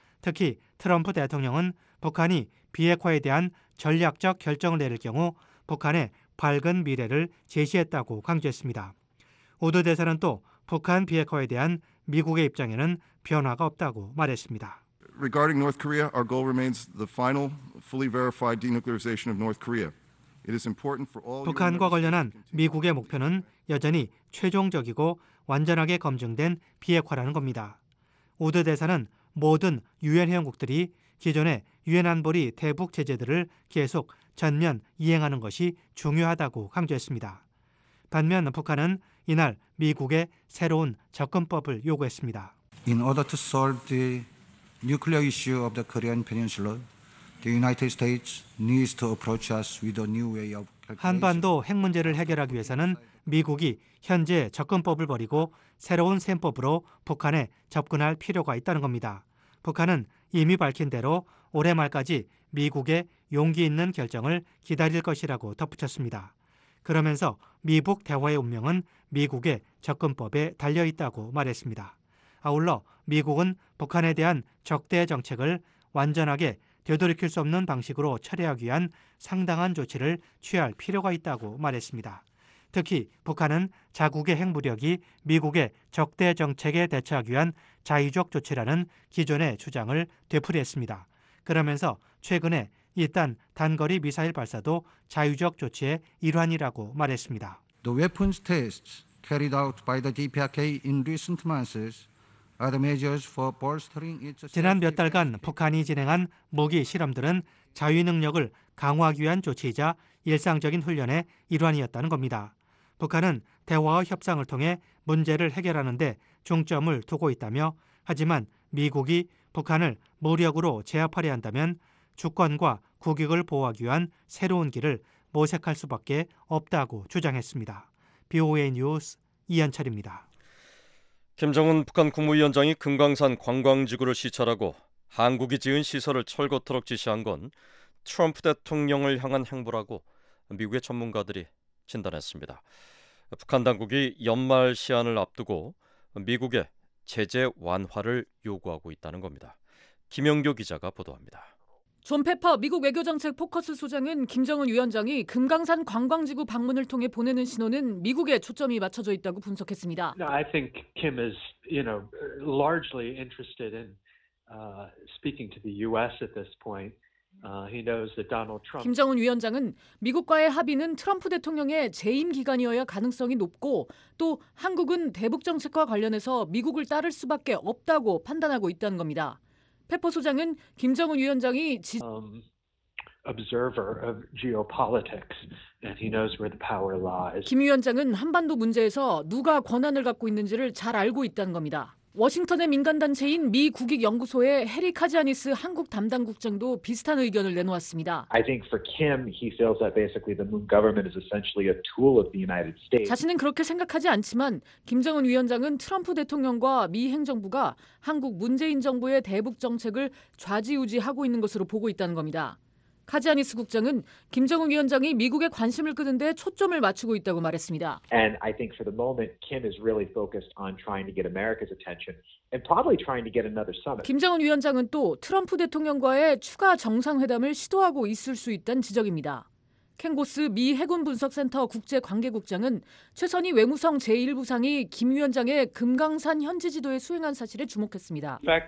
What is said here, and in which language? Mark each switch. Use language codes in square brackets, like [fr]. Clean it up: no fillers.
[ko] 특히 트럼프 대통령은 북한이 비핵화에 대한 전략적 결정을 내릴 경우 북한의 밝은 미래를 제시했다고 강조했습니다. 우드 대사는 또 북한 비핵화에 대한 미국의 입장에는 변화가 없다고 말했습니다. [en] Regarding North Korea, our goal remains the final, fully verified denuclearization of North Korea. It is important for all. [ko] 북한과 관련한 미국의 목표는 여전히 최종적이고 완전하게 검증된 비핵화라는 겁니다. 우드 대사는 모든 유엔 회원국들이 기존의 유엔 안보리 대북 제재들을 계속 전면 이행하는 것이 중요하다고 강조했습니다. 반면 북한은 이날 미국의 새로운 접근법을 요구했습니다. [en] In order to solve the nuclear issue of the Korean Peninsula, the United States needs to approach us with a new way of [ko] 한반도 핵 문제를 해결하기 위해서는 미국이 현재 접근법을 버리고 새로운 셈법으로 북한에 접근할 필요가 있다는 겁니다. 북한은 이미 밝힌 대로 올해 말까지 미국의 용기 있는 결정을 기다릴 것이라고 덧붙였습니다. 그러면서 미북 대화의 운명은 미국의 접근법에 달려있다고 말했습니다. 아울러 미국은 북한에 대한 적대 정책을 완전하게 되돌이킬 수 없는 방식으로 처리하기 위한 상당한 조치를 취할 필요가 있다고 말했습니다. 특히 북한은 자국의 핵무력이 미국의 적대 정책에 대처하기 위한 자의적 조치라는 기존의 주장을 되풀이했습니다. 그러면서 최근에 이딴 단거리 미사일 발사도 자의적 조치의 일환이라고 말했습니다. [en] The weapons tests carried out by the DPRK in recent months are the measures for bolstering its. [ko] 지난 몇 달간 북한이 진행한 무기 실험들은 자위 능력을 강화하기 위한 조치이자 일상적인 훈련의 일환이었다는 겁니다. 북한은 대화와 협상을 통해 문제를 해결하는 데 중점을 두고 있다며 하지만 미국이 북한을 무력으로 제압하려 한다면 주권과 국익을 보호하기 위한 새로운 길을 모색할 수밖에 없다고 주장했습니다. BOA 뉴스 이한철입니다. 김정은 북한 국무위원장이 금강산 관광지구를 시찰하고 한국이 지은 시설을 철거토록 지시한 건 트럼프 대통령을 향한 행보라고 미국의 전문가들이 진단했습니다. 북한 당국이 연말 시한을 앞두고 미국의 제재 완화를 요구하고 있다는 겁니다. 김영교 기자가 보도합니다. 존 페퍼 미국 외교정책 포커스 소장은 김정은 위원장이 금강산 관광지구 방문을 통해 보내는 신호는 미국에 초점이 맞춰져 있다고 분석했습니다. [en] I think Kim is, you know, largely interested in speaking to the U.S. at this point. He knows that Donald Trump. [ko] 김정은 위원장은 미국과의 합의는 트럼프 대통령의 재임 기간이어야 가능성이 높고 또 한국은 대북 정책과 관련해서 미국을 따를 수밖에 없다고 판단하고 있다는 겁니다. 페퍼 소장은 김정은 위원장이 [en] observer of geopolitics and he knows where the power lies. [ko] 김 위원장은 한반도 문제에서 누가 권한을 갖고 있는지를 잘 알고 있다는 겁니다. 워싱턴의 민간단체인 미 국익연구소의 해리 카지아니스 한국 담당 국장도 비슷한 의견을 내놓았습니다. [en] I think for Kim, he feels that basically the Moon government is essentially a tool of the United States. [ko] 자신은 그렇게 생각하지 않지만 김정은 위원장은 트럼프 대통령과 미 행정부가 한국 문재인 정부의 대북 정책을 좌지우지하고 있는 것으로 보고 있다는 겁니다. 카지아니스 국장은 김정은 위원장이 미국의 관심을 끄는 데 초점을 맞추고 있다고 말했습니다. [en] And I think for the moment Kim is really focused on trying to get America's attention and probably trying to get another summit. [ko] 김정은 위원장은 또 트럼프 대통령과의 추가 정상회담을 시도하고 있을 수 있다는 지적입니다. 캥고스 미 해군 분석센터 국제 관계국장은 최선희 외무성 제1부상이 김 위원장의 금강산 현지 지도에 수행한 사실에 주목했습니다.